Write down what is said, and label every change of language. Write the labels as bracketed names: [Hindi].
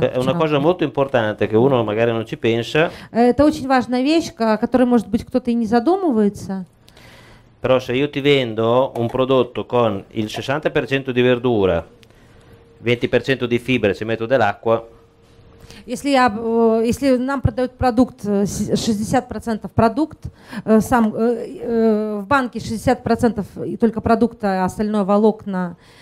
[Italian] È una cosa molto importante che uno magari non ci pensa. [Russian] Это очень важная вещь, о которой, может быть, кто-то и не задумывается. [Italian] Però se io ti vendo un prodotto con il 60% di verdura, 20% di fibre, ci metto dell'acqua. [Russian] Если нам продают продукт 60% продукт, сам в банке 60% и только продукта, а остальное волокна.